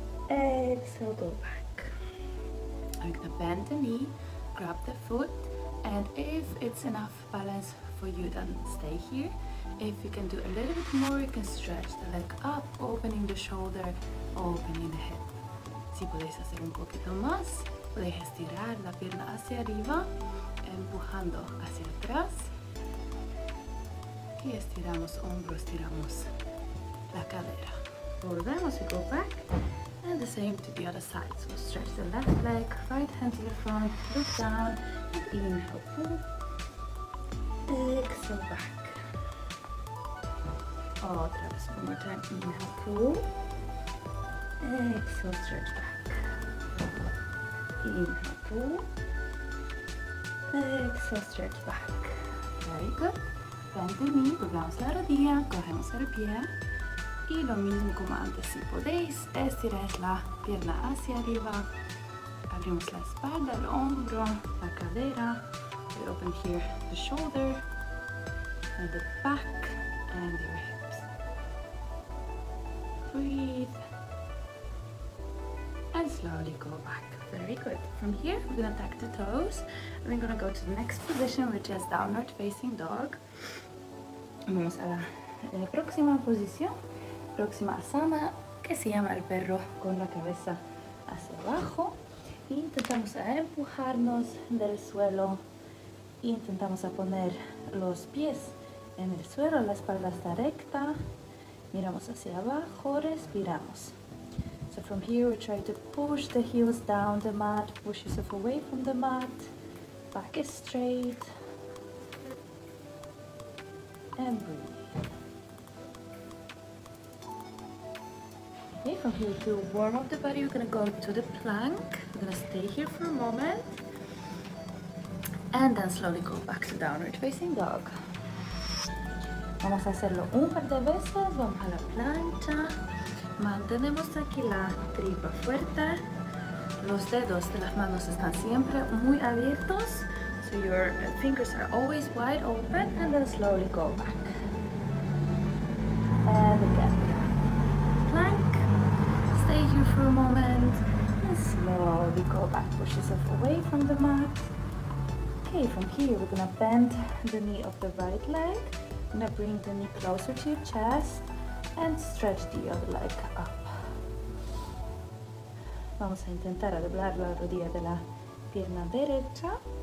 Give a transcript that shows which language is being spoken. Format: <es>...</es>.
<en>Exhale, go back. I'm going to bend the knee. Grab the foot, and if it's enough balance for you, then stay here. If you can do a little bit more, you can stretch the leg up, opening the shoulder, opening the hip.</en> <es>Si podéis hacer un poquito más, podéis estirar la pierna hacia arriba, empujando hacia atrás. Y estiramos hombros, estiramos la cadera. Volvemos y</es> <en>go back. And the same to the other side. So stretch the left leg, right hand to the front, look down, and inhale, pull. Exhale back.</en> <es>Otra vez,</es> <en>one more time. Inhale, pull. Exhale, stretch back. Inhale, pull. Exhale, stretch back. Very good. Bend the knee,</en> <es>doblamos la rodilla, cogemos el pie. Y lo mismo como antes, si podéis, estiráis la pierna hacia arriba, abrimos la espalda, el hombro, la cadera,</es> <en>it open here, the shoulder and the back and your hips. Breathe and slowly go back. Very good. From here, we're gonna tuck the toes and we're gonna go to the next position, which is downward facing dog.</en> <es>Vamos a la próxima posición, próxima asana, que se llama el perro con la cabeza hacia abajo. Intentamos a empujarnos del suelo. Intentamos a poner los pies en el suelo, la espalda está recta. Miramos hacia abajo, respiramos.</es> <en>So from here we try to push the heels down the mat, push yourself away from the mat. Back is straight. And breathe. Okay, from here to warm up the body, we're gonna go to the plank. We're gonna stay here for a moment. And then slowly go back to downward facing dog.</en> <es>Vamos a hacerlo un par de veces, vamos a la plancha. Mantenemos aquí la tripa fuerte. Los dedos de las manos están siempre muy abiertos.</es> <en>So your fingers are always wide open, and then slowly go back. And again, plank. Stay here for a moment, and slowly go back. Push yourself away from the mat. Okay, from here, we're gonna bend the knee of the right leg. Gonna bring the knee closer to your chest and stretch the other leg up.</en> <es>Vamos a intentar a doblar la rodilla de la pierna derecha.</es>